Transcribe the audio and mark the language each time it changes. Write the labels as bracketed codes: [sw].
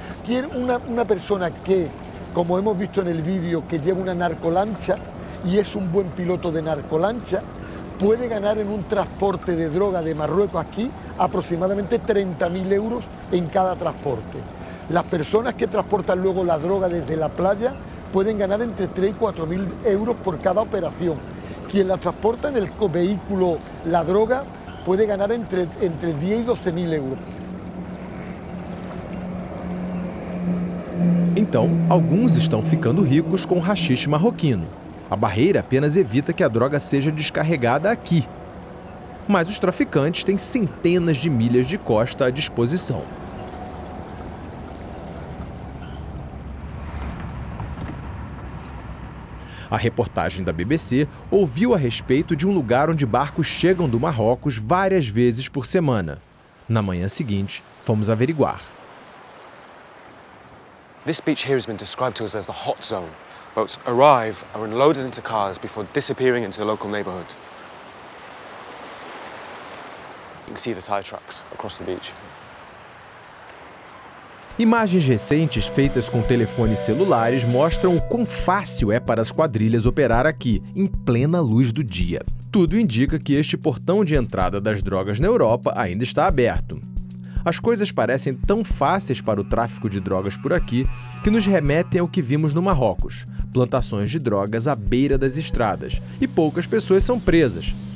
[es] Quiere una persona que, como hemos visto en el vídeo, que lleva una narcolancha y es un buen piloto de narcolancha, puede ganar en un transporte de droga de Marruecos aquí aproximadamente 30.000 euros en cada transporte. Las personas que transportan luego la droga desde la playa pueden ganar entre 3.000 y 4.000 euros por cada operación. Quien la transporta en el vehículo la droga puede ganar entre 10.000 y 12.000 euros. [pt] Então, alguns estão ficando ricos com haxixe marroquino. A barreira apenas evita que a droga seja descarregada aqui. Mas os traficantes têm centenas de milhas de costa à disposição. A reportagem da BBC ouviu a respeito de um lugar onde barcos chegam do Marrocos várias vezes por semana. Na manhã seguinte, fomos averiguar. [en] This beach here has been described to us as the hot zone. Boats arrive, are unloaded into cars before disappearing into the local neighborhood. You can see the tire trucks across the beach. [pt] Imagens recentes feitas com telefones celulares mostram o quão fácil é para as quadrilhas operar aqui, em plena luz do dia. Tudo indica que este portão de entrada das drogas na Europa ainda está aberto. As coisas parecem tão fáceis para o tráfico de drogas por aqui que nos remetem ao que vimos no Marrocos: plantações de drogas à beira das estradas e poucas pessoas são presas.